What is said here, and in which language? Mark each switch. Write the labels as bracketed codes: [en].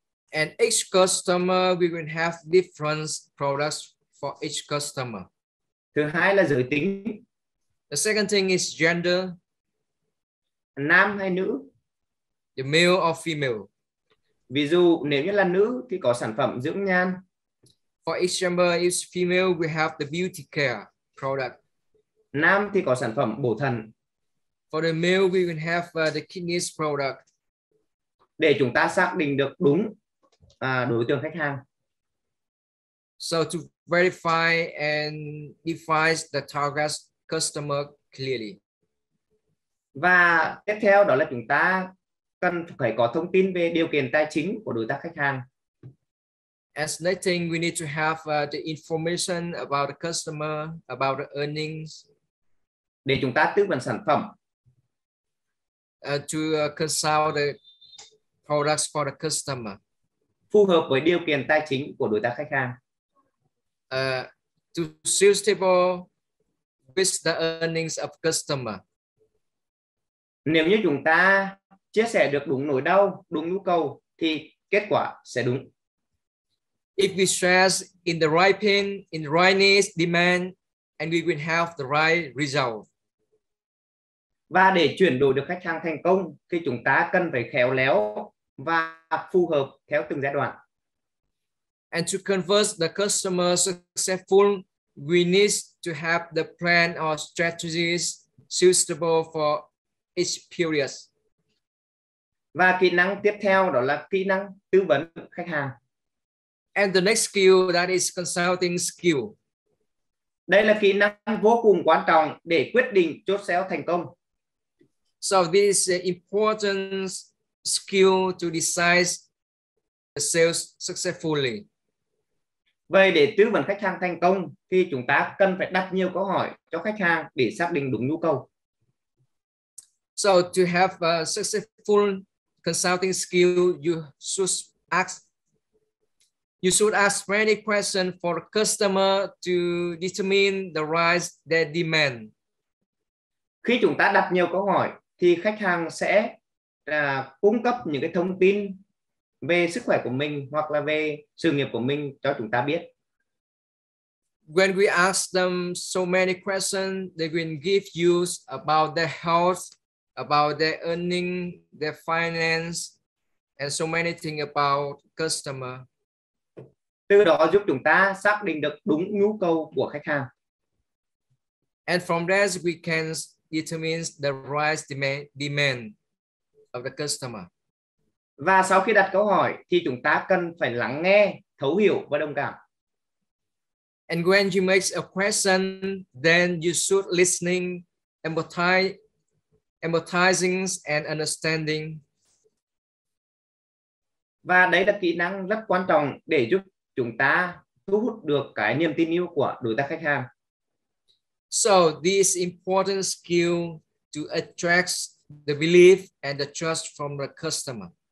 [en] And each customer, we will have different products for each customer. [vi] Thứ hai là giới tính. [en] The second thing is gender. [vi] Nam hay nữ? [en] The male or female. [vi] Ví dụ nếu như là nữ thì có sản phẩm dưỡng nhan. [en] For example, if female, we have the beauty care product. [vi] Nam thì có sản phẩm bổ thận. [en] For the male, we will have the kidneys product. [vi] Để chúng ta xác định được đúng đối tượng khách hàng. [en] So to verify and define the target customer clearly. [vi] Và tiếp theo đó là chúng ta cần phải có thông tin về điều kiện tài chính của đối tác khách hàng. [en] As next thing, we need to have the information about the customer, about the earnings. [vi] Để chúng ta tư vấn sản phẩm. [en] To consult the products for the customer. [vi] Phù hợp với điều kiện tài chính của đối tác khách hàng. [en] To suitable with the earnings of customer. [vi] Nếu như chúng ta chia sẻ được đúng nỗi đau, đúng nhu cầu thì kết quả sẽ đúng. [en] If we stress in the right pain, in the right needs, demand, and we will have the right result. [vi] Và để chuyển đổi được khách hàng thành công thì chúng ta cần phải khéo léo và phù hợp theo từng giai đoạn. [en] And to convert the customer successful, we need to have the plan or strategies suitable for each period. [vi] Và kỹ năng tiếp theo đó là kỹ năng tư vấn khách hàng. [en] And the next skill, that is consulting skill. [vi] Đây là kỹ năng vô cùng quan trọng để quyết định chốt sale thành công. [en] So this is an important skill to decide the sales successfully. [vi] Vậy để tư vấn khách hàng thành công thì chúng ta cần phải đặt nhiều câu hỏi cho khách hàng để xác định đúng nhu cầu. [en] So to have a successful consulting skill, you should ask many questions for a customer to determine the right they demand. [vi] Khi chúng ta đặt nhiều câu hỏi thì khách hàng sẽ cung cấp những cái thông tin về sức khỏe của mình hoặc là về sự nghiệp của mình cho chúng ta biết. [en] When we ask them so many questions, they will give you about their health, about their earning, their finance, and so many things about customer. [vi] Từ đó giúp chúng ta xác định được đúng nhu cầu của khách hàng. [en] And from that we can determine the right demand of the customer. [vi] Và sau khi đặt câu hỏi thì chúng ta cần phải lắng nghe, thấu hiểu và đồng cảm. [en] And when you make a question, then you should listening, empathizing and understanding. [vi] Và đấy là kỹ năng rất quan trọng để giúp chúng ta thu hút được cái niềm tin yêu của đối tác khách hàng. [en] So this important skill to attract the belief and the trust from the customer.